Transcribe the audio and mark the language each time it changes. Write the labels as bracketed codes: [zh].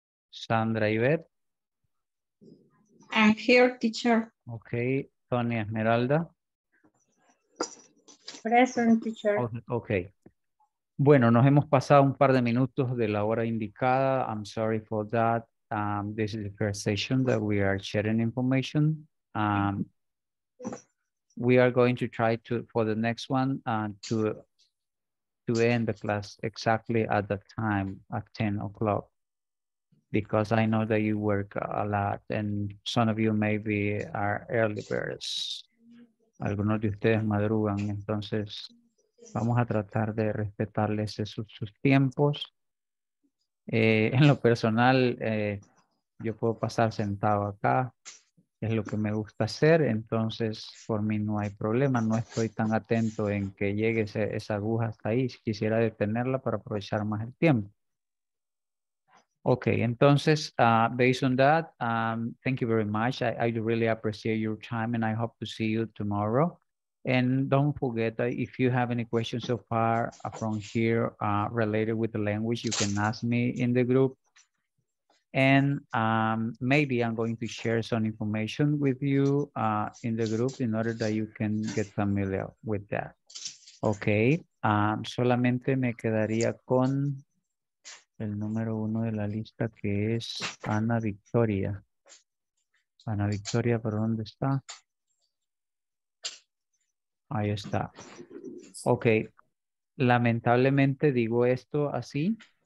[en] Sandra Ivette. I'm here, teacher. Ok. Tony Esmeralda. Present, teacher. Ok. [es] Bueno, nos hemos pasado un par de minutos de la hora indicada. [en] I'm sorry for that. This is the first session that we are sharing information. We are going to try to, for the next one, to end the class exactly at the time, at 10 o'clock. Because I know that you work a lot and some of you maybe are early birds. [es] Algunos de ustedes madrugan, entonces vamos a tratar de respetarles esos, sus tiempos. En lo personal, yo puedo pasar sentado acá, es lo que me gusta hacer, entonces por mí no hay problema, no estoy tan atento en que llegue ese, esa aguja hasta ahí, quisiera detenerla para aprovechar más el tiempo. [en] Okay, entonces, based on that, thank you very much. I really appreciate your time and I hope to see you tomorrow. And don't forget that if you have any questions so far from here related with the language, you can ask me in the group. And maybe I'm going to share some information with you in the group in order that you can get familiar with that. [es] Okay, solamente me quedaría con el número uno de la lista, que es Ana Victoria. Ana Victoria, ¿por dónde está? Ahí está. Ok. Lamentablemente digo esto así.